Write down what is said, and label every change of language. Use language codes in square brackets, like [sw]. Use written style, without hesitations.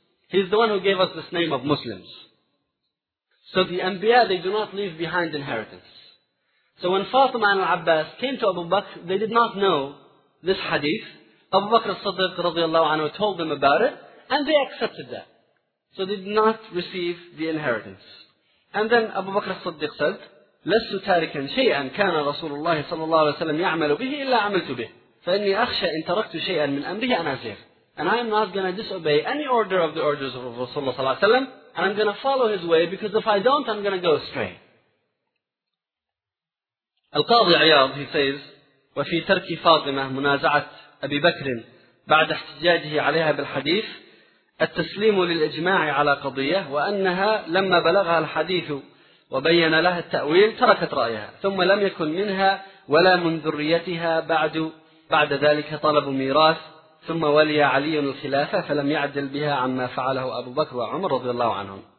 [en] He is the one who gave us this name of Muslims. So the Anbiya, they do not leave behind inheritance. So when Fatima and al-Abbas came to Abu Bakr, they did not know this hadith. Abu Bakr al-Siddiq radiallahu anhu told them about it, and they accepted that. So they did not receive the inheritance. And then Abu Bakr al-Siddiq said, [ar] لَسُّ تَارِكًا شَيْئًا كَانَ رَسُولُ اللَّهِ صَلَى اللَّهُ عَلَيْهِ وَسَلَمْ يَعْمَلُ بِهِ إِلَّا عَمَلْتُ بِهِ فَإِنِّي أَخْشَى إِنْ تَرَكْتُ شَيْئًا مِنْ أَمْرِهِ أَنْ أَزِيغُ. [en] And I am not going to disobey any order of the orders of Rasulullah ﷺ, and I'm going to follow his way, because if I don't, I'm going to go astray. Al-Qadhi Iyad, he says, [ar] وَفِي تَرْكِ فَاطِمَةَ مُنَازَعَةَ أَبِي بَكْرٍ بَعْدَ احْتِجَاجِهِ عَلَيْهَا بِالْحَدِيثِ التَّسْلِيمُ لِلْإِجْمَاعِ عَلَى قَضِيَّةٍ وَأَنَّهَا لَمَّا بَلَغَهَا الْحَدِيثُ وَبَيَّنَ لَهَا التَّأْوِيلُ تَرَكَتْ رَأْيَهَا ثُمَّ لَمْ يَكُنْ مِنْهَا وَلَا مِنْ ذُرِّيَّتِهَا بعد ذلك طلب ميراث ثم ولي علي الخلافة فلم يعدل بها عما فعله أبو بكر وعمر رضي الله عنهم.